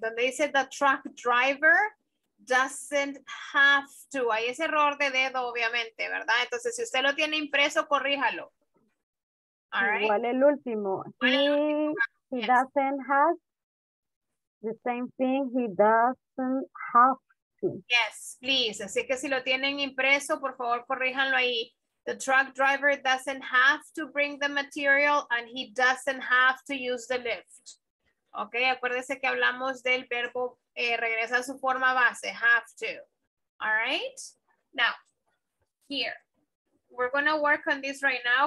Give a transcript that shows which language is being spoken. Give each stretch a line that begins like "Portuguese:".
Spanish: Donde dice
English: the truck driver doesn't have to.
Spanish: Ahí es error de dedo, obviamente, ¿verdad? Entonces, si usted lo tiene impreso, corríjalo.
English: All right.
Spanish: Igual el último.
English: He doesn't have the same thing, he doesn't have to. Yes, please.
Spanish: Así que si lo tienen impreso, por favor, corríjanlo ahí.
English: The truck driver doesn't have to bring the material and he doesn't have to use the lift.
Spanish: Ok, acuérdese que hablamos del verbo regresa a su forma base, have to.
English: All right, now, here. We're going to work on this right now.